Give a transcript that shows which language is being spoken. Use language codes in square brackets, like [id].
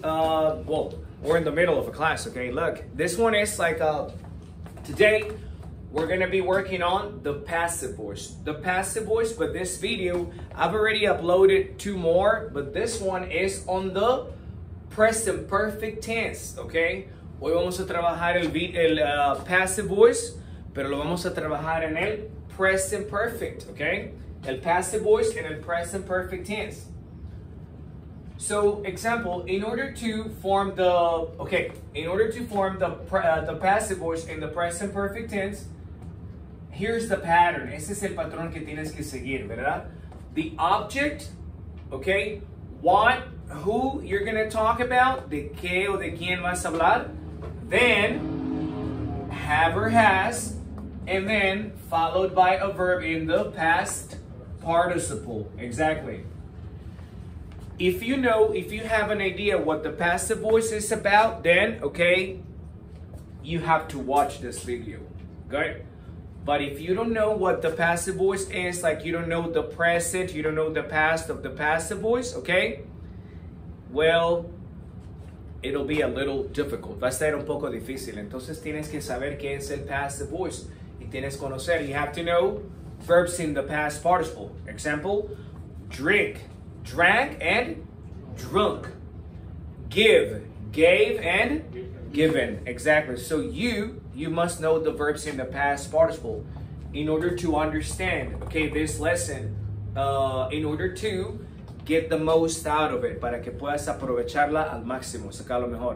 [en] Well, we're in the middle of a class, okay? Look, this one is like, today we're gonna be working on the passive voice. The passive voice, but this video, I've already uploaded two more, but this one is on the present perfect tense, okay? [es] Hoy vamos a trabajar el passive voice, pero lo vamos a trabajar en el present perfect, okay? [en] El passive voice and el present perfect tense. So, example, in order to form the passive voice and the present perfect tense, here's the pattern. [es] Ese es el patrón que tienes que seguir, ¿verdad? [en] The object, okay? What, who you're gonna talk about, [es] de qué o de quién vas a hablar, [en] then, have or has, and then followed by a verb in the past participle. Exactly. If you have an idea what the passive voice is about, then, okay, you have to watch this video. Good? But if you don't know what the passive voice is, like you don't know the present, you don't know the past of the passive voice, okay, well, it'll be a little difficult. [es] Va a ser un poco difícil. Entonces tienes que saber qué es el passive voice. Tienes conocer, [en] you have to know verbs in the past participle. Example, drink, drank and drunk. Give, gave and given. Exactly. So you must know the verbs in the past participle in order to understand, okay, this lesson, in order to get the most out of it. [es] Para que puedas aprovecharla al máximo, sacar lo mejor.